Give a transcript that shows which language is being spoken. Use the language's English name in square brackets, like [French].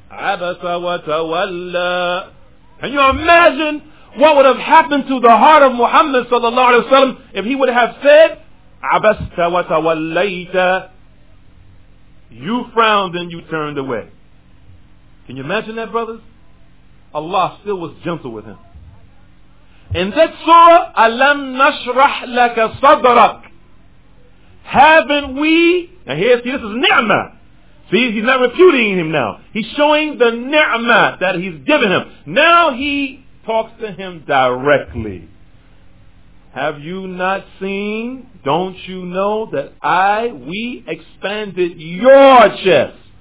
[Arabic] Abasa wa tawalla. [English] Can you imagine what would have happened to the heart of Muhammad sallallahu alaihi wasallam if he would have said, [Arabic] Abasa wa tawallaita. [English] You frowned and you turned away. Can you imagine that, brothers? Allah still was gentle with him. In that surah, [Arabic] أَلَمْ نَشْرَحْ لَكَ صَدْرَكَ [English] Haven't we? Now here, see, this is ni'mah. See, he's not refuting him now. He's showing the ni'mah that he's given him. Now he talks to him directly. Have you not seen, don't you know, that we expanded your chest?